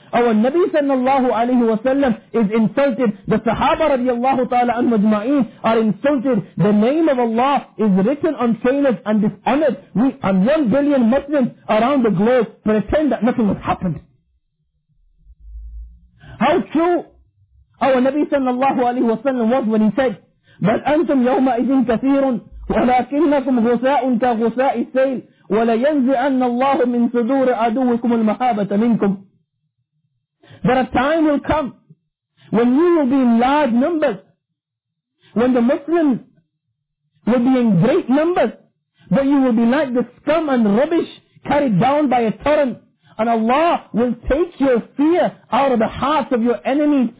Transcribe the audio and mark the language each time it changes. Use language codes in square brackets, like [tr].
[en] Our Nabi sallallahu alayhi wa sallam is insulted. The Sahaba radiallahu ta'ala anhu ajma'een are insulted. The name of Allah is written on sailors and dishonored. We and 1 billion Muslims around the globe pretend that nothing has happened. How true our Nabi sallallahu alayhi wa sallam was when he said, [ar] بَلْ أَنْتُمْ يَوْمَئِذٍ كَثِيرٌ وَلَكِنَّكُمْ غُسَاءٌ كَغُسَاءِ السَّيْلِ وَلَيَنْزِعَنَّ اللَّهُ مِنْ صُدُورِ عَدُوِّكُمُ الْمَحَابَةَ مِنْكُمْ. [en] But a time will come when you will be in large numbers, when the Muslims will be in great numbers, but you will be like the scum and rubbish carried down by a torrent. And Allah will take your fear out of the hearts of your enemies.